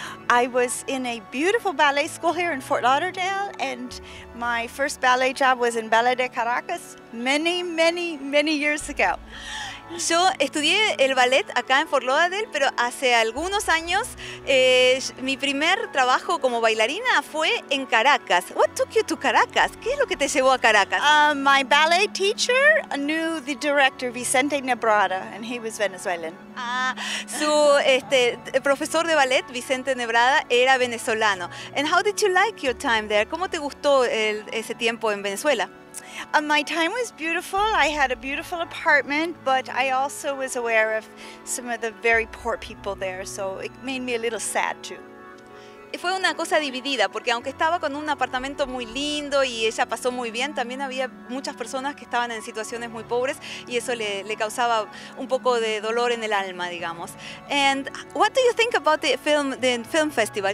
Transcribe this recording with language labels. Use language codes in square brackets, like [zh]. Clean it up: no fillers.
[en] I was in a beautiful ballet school here in Fort Lauderdale, and my first ballet job was in Ballet de Caracas many, many, many years ago. [es] Yo estudié el ballet acá en Fort Lauderdale, pero hace algunos años mi primer trabajo como bailarina fue en Caracas. [en] What took you to Caracas? [es] ¿Qué es lo que te llevó a Caracas? [en] My ballet teacher knew the director Vicente Nebrada, and he was Venezuelan. [es] Su profesor de ballet Vicente Nebrada era venezolano. [en] And how did you like your time there? [es] ¿Cómo te gustó ese tiempo en Venezuela? [en] My time was beautiful. I had a beautiful apartment, but I also was aware of some of the very poor people there, so it made me a little sad too. [es] Fue una cosa dividida, porque aunque estaba con un apartamento muy lindo y ella pasó muy bien, también había muchas personas que estaban en situaciones muy pobres y eso le causaba un poco de dolor en el alma, digamos. [en] And what do you think about the film festival?